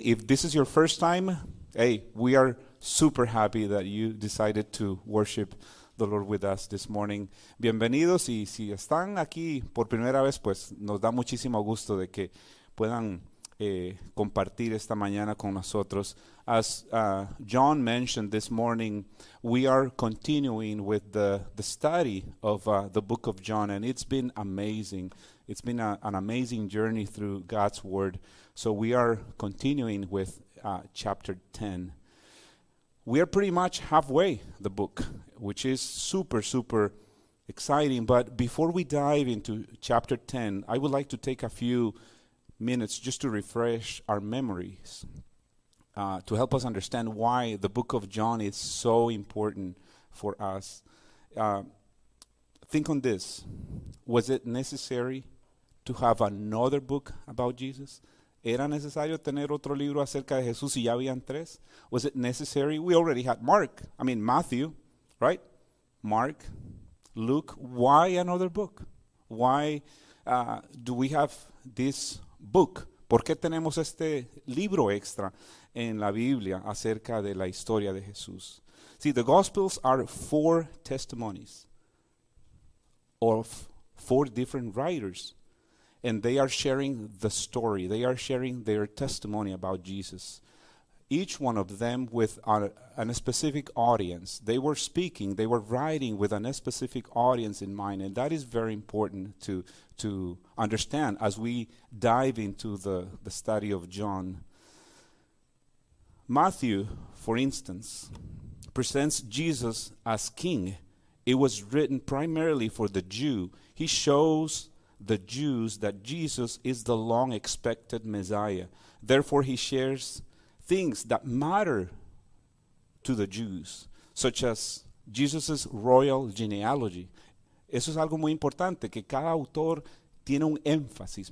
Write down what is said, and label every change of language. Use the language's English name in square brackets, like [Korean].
[English] If this is your first time, hey, we are super happy that you decided to worship the Lord with us this morning. [Spanish] Bienvenidos, y si están aquí por primera vez, pues nos da muchísimo gusto de que puedan compartir esta mañana con nosotros. [English] As John mentioned this morning, we are continuing with the study of the book of John, and it's been amazing. It's been an amazing journey through God's word. So we are continuing with chapter 10. We are pretty much halfway the book, which is super, super exciting. But before we dive into chapter 10, I would like to take a few minutes just to refresh our memories, to help us understand why the book of John is so important for us. Think on this. Was it necessary to have another book about Jesus? [Spanish] ¿Era necesario tener otro libro acerca de Jesús si ya habían tres? [English] Was it necessary? We already had Mark. I mean, Matthew, right? Mark, Luke. Why another book? Why do we have this book? [Spanish] ¿Por qué tenemos este libro extra en la Biblia acerca de la historia de Jesús? [English] See, the Gospels are four testimonies of four different writers. And they are sharing the story. They are sharing their testimony about Jesus. Each one of them with a specific audience. They were speaking, they were writing with a specific audience in mind. And that is very important to understand as we dive into the study of John. Matthew, for instance, presents Jesus as king. It was written primarily for the Jew. He shows the Jews that Jesus is the long-expected Messiah. Therefore, he shares things that matter to the Jews, such as Jesus's royal genealogy. [Spanish] Eso es algo muy importante, que cada autor tiene un énfasis.